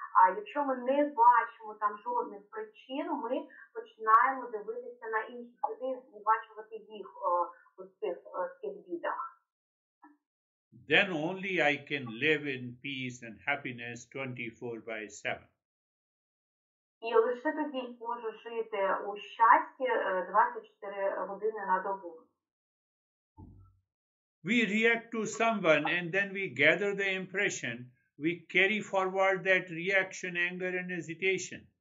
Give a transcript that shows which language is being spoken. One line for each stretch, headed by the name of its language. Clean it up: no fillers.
Ukrainian: А якщо ми не бачимо там жодних причин, ми починаємо дивитися на інших людей, звинувачувати їх у цих бідах.
English: Then only I can live in peace and happiness 24/7.
Ukrainian: І лише тоді можу жити у щасті 24 години на добу.
English: We react to someone and then we gather the impression, we carry forward that reaction, anger and hesitation.